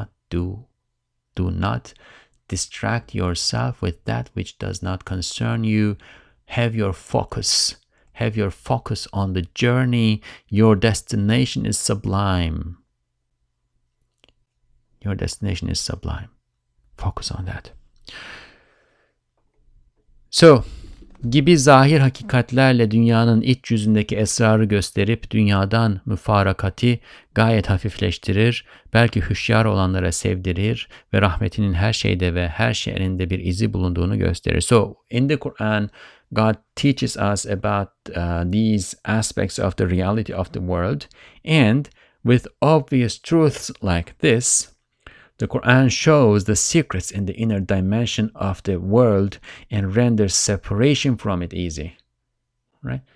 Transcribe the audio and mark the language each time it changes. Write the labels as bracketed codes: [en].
[en] Do not distract yourself with that which does not concern you. Have your focus. Have your focus on the journey. Your destination is sublime. Your destination is sublime. Focus on that. [tr] So, gibi zahir hakikatlerle dünyanın iç yüzündeki esrarı gösterip dünyadan müfarakati gayet hafifleştirir, belki hüşyar olanlara sevdirir ve rahmetinin her şeyde ve her şeyinde bir izi bulunduğunu gösterir. [en] So in the Quran, God teaches us about these aspects of the reality of the world, and with obvious truths like this, the Quran shows the secrets in the inner dimension of the world and renders separation from it easy, right?